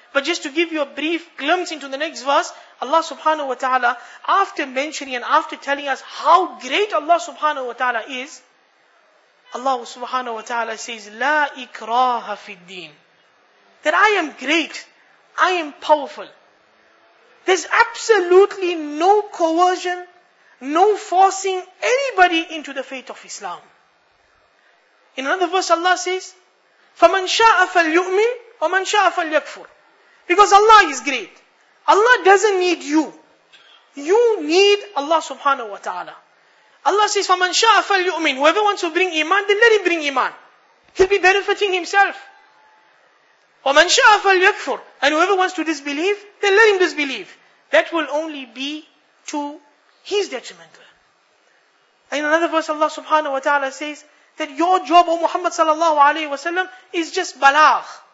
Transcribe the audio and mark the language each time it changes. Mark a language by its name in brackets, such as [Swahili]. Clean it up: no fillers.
[English] But just to give you a brief glimpse into the next verse, Allah subhanahu wa ta'ala, after mentioning and after telling us how great Allah subhanahu wa ta'ala is, Allah subhanahu wa ta'ala says, [Arabic] La Ikraha Fiddeen. [English] That I am great. I am powerful. There's absolutely no coercion, no forcing anybody into the faith of Islam. In another verse, Allah says, [Arabic] فَمَنْ شَاءَ فَلْيُؤْمِنْ وَمَنْ شَاءَ فَلْيَكْفُرْ. [English] Because Allah is great. Allah doesn't need you. You need Allah subhanahu wa ta'ala. Allah says, [Arabic] فَمَنْ شَاءَ فَلْيُؤْمِنْ. [English] Whoever wants to bring iman, then let him bring iman. He'll be benefiting himself. [Arabic] وَمَنْ شَاءَ فَلْيَكْفُرْ. [English] And whoever wants to disbelieve, then let him disbelieve. That will only be to his detrimental. In another verse, Allah subhanahu wa ta'ala says that your job, O Muhammad sallallahu alayhi wa sallam, is just balagh.